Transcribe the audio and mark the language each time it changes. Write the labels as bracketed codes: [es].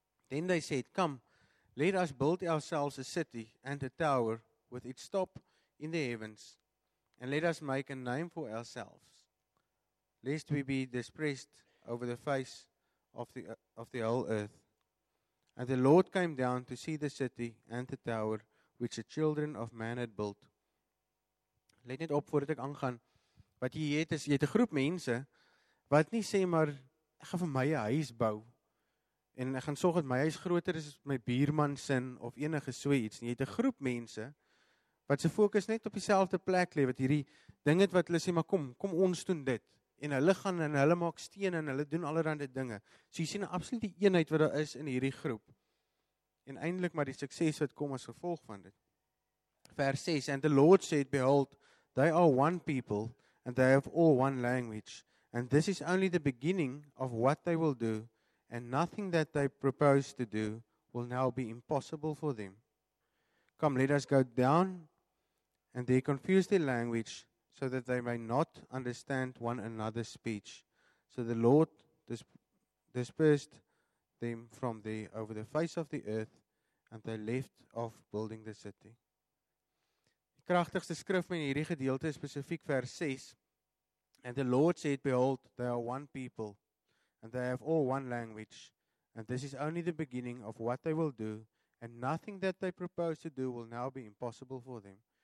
[en] Then they said, come, let us build ourselves a city and a tower with its top in the heavens, and let us make a name for ourselves, lest we be dispersed over the face of the whole earth. And the Lord came down to see the city and the tower which the children of man had built. [af] Let net op voordat ek aangaan, wat jy het is, jy het 'n groep mense wat nie sê maar, ek gaan vir my 'n huis bou, en ek gaan sorg dat my huis groter is as my buurman sin of enige so iets. Jy het 'n groep mense wat se fokus net op dieselfde plek lê wat hierdie ding het wat hulle sê maar kom ons doen dit. En hulle gaan en hulle maak stene en hulle doen allerlei dinge. So jy sien 'n absolute eenheid wat daar is in hierdie groep. En eindelik maar die sukses wat kom as gevolg van dit. Vers 6 [en] and the Lord said behold they are one people and they have all one language and this is only the beginning of what they will do. And nothing that they propose to do will now be impossible for them. Come, let us go down, and they confuse their language, so that they may not understand one another's speech. So the Lord dispersed them from there over the face of the earth, and they left off building the city. [af] Die kragtigste skrif in hierdie gedeelte is spesifiek vers 6. [en] And the Lord said, behold, they are one people. And they have all one language, and this is only the beginning of what they will do, and nothing that they propose to do will now be impossible for them.